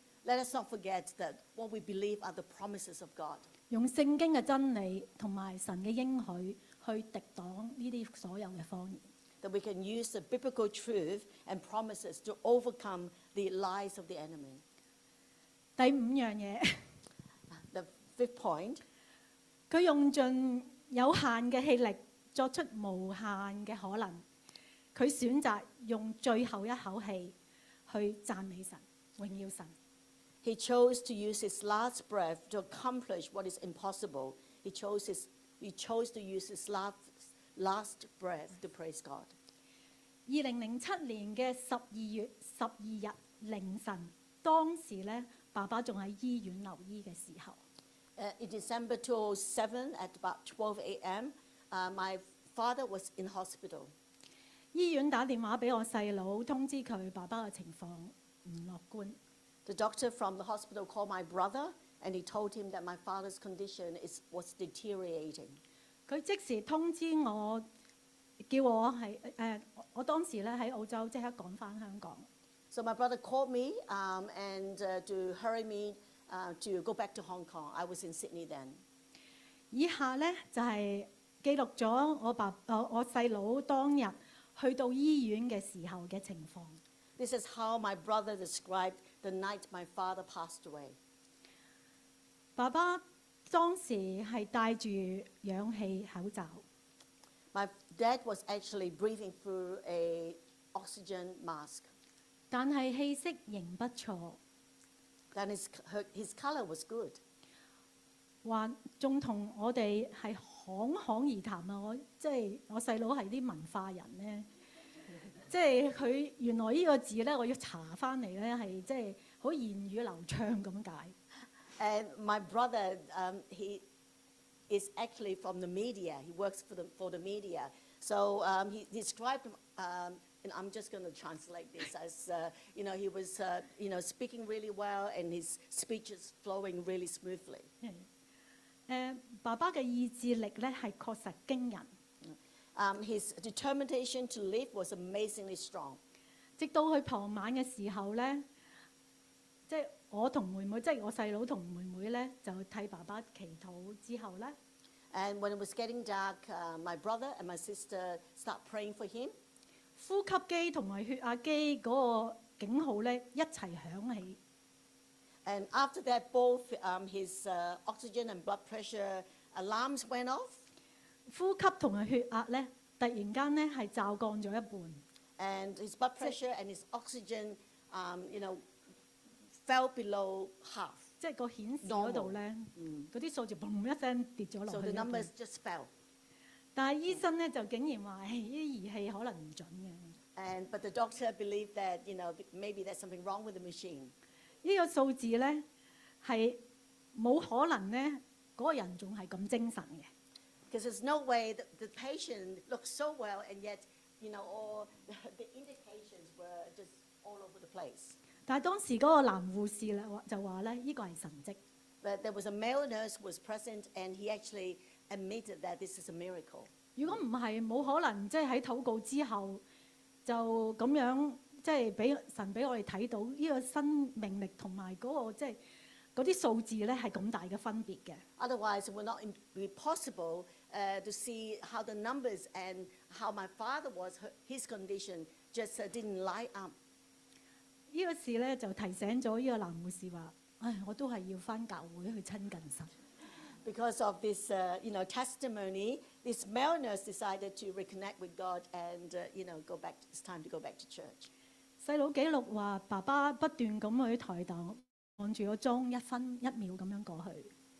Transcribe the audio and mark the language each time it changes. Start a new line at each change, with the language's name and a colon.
English: Let us not forget that what we believe are the promises of God.
Cantonese: 用聖經嘅真理同埋神嘅應許去抵擋呢啲所有嘅謊言。
English: That we can use the biblical truth and promises to overcome the lies of the enemy.
Cantonese: 第五樣嘢。
English: The fifth point.
Cantonese: 佢用盡有限嘅氣力，作出無限嘅可能。佢選擇用最後一口氣去讚美神，榮耀神。
English: He chose to use his last breath to accomplish what is impossible. He chose to use his last breath to praise God.
Cantonese: 2007年嘅12月12日凌晨，當時咧，爸爸仲喺醫院留醫嘅時候。
English: In December 2007, at about 12 a.m., my father was in hospital.
Cantonese: 醫院打電話俾我細佬，通知佢爸爸嘅情況唔樂觀。
English: The doctor from the hospital called my brother, and he told him that my father's condition was deteriorating.
Cantonese: 佢即時通知我，叫我係我當時咧喺澳洲即刻趕翻香港。
English: So my brother called me, and to hurry me, to go back to Hong Kong. I was in Sydney then.
Cantonese: 以下咧就係記錄咗我細佬當日去到醫院嘅時候嘅情況。
English: This is how my brother described the night my father passed away.
Cantonese: 爸爸當時係戴住氧氣口罩。
English: My dad was actually breathing through a oxygen mask.
Cantonese: 但係氣息仍不錯。
English: Then his color was good.
Cantonese: 還仲同我哋係侃侃而談啊！我細佬係啲文化人咧，即係佢原來依個字咧，我要查翻嚟咧，係即係好言語流暢咁解。
English: And my brother, he is actually from the media. He works for the media. So he described, and I'm just going to translate this as, you know, he was, you know, speaking really well, and his speech is flowing really smoothly.
Cantonese: 爸爸嘅意志力咧係確實驚人。
English: His determination to live was amazingly strong.
Cantonese: 直到佢傍晚嘅時候咧，即係。我同妹妹，即係我細佬同妹妹咧，就替爸爸祈禱之後咧。
English: And when it was getting dark, my brother and my sister start praying for him.
Cantonese: 呼吸機同埋血壓機嗰個警號咧一齊響起。
English: And after that, both his oxygen and blood pressure alarms went off.
Cantonese: 呼吸同埋血壓咧，突然間咧係驟降咗一半。
English: And his blood pressure and his oxygen, you know. Fell below half.
Cantonese: 即係個顯示嗰度咧，嗰啲數字嘣一聲跌咗落去。
English: So the numbers just fell.
Cantonese: 但係醫生咧就竟然話：，呢啲儀器可能唔準嘅。
English: And but the doctor believed that you know maybe there's something wrong with the machine.
Cantonese: 呢個數字咧係冇可能咧，嗰個人仲係咁精神嘅。
English: Because there's no way the patient looked so well and yet you know all the indications were just all over the place.
Cantonese: 但係當時嗰個男護士咧就話咧，依個係神蹟。
English: But there was a male nurse was present, and he actually admitted that this is a miracle.
Cantonese: 如果唔係，冇可能即係喺禱告之後就咁樣即係俾神俾我哋睇到依個生命力同埋嗰個即係嗰啲數字咧係咁大嘅分別嘅。
English: Otherwise, it would not be possible, to see how the numbers and how my father was his condition just didn't line up.
Cantonese: 呢、这個事咧就提醒咗呢個男護士話：，唉，我都係要翻教會去親近神。
English: Because of this, you know, testimony, this male nurse decided to reconnect with God and, you know, go back. It's time to go back to church.
Cantonese: 細佬記錄話：，爸爸不斷咁去抬頭望住個鐘，一分一秒咁樣過去。